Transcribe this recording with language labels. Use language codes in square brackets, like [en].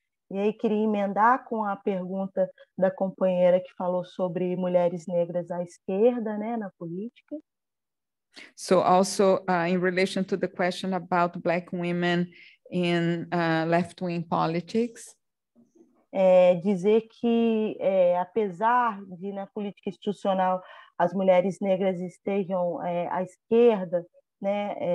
[pt] E aí queria emendar com a pergunta da companheira que falou sobre mulheres negras à esquerda, né, na política. [en] So also in relation to the question about black women in left-wing politics. [pt] Dizer que apesar de na política institucional as mulheres negras estejam à esquerda, né,